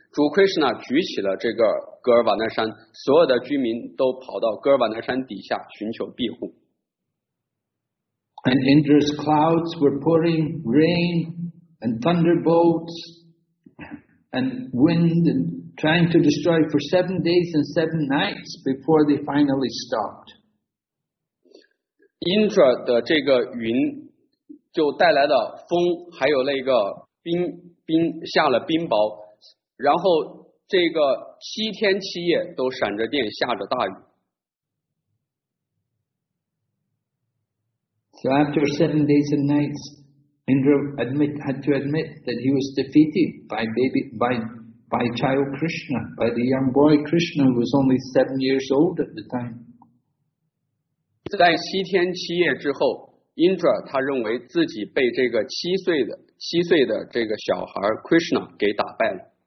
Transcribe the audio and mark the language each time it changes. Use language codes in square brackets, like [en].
[zh] 主 Krishna 举起了这个噶尔瓦纳山，所有的居民都跑到噶尔瓦纳山底下寻求庇护。 [en] And Indra's clouds were pouring rain and thunderbolts and wind and trying to destroy for 7 days and 7 nights before they finally stopped. [zh] Indra 的这个云就带来了风，还有那个冰下了冰雹，然后这个7天7夜都闪着电，下着大雨。 [en] So after 7 days and nights, Indra had to admit that he was defeated by child Krishna, by the young boy Krishna, who was only 7 years old at the time. [zh] 在7天7夜之后 ，Indra 他认为自己被这个七岁的这个小孩 Krishna 给打败了。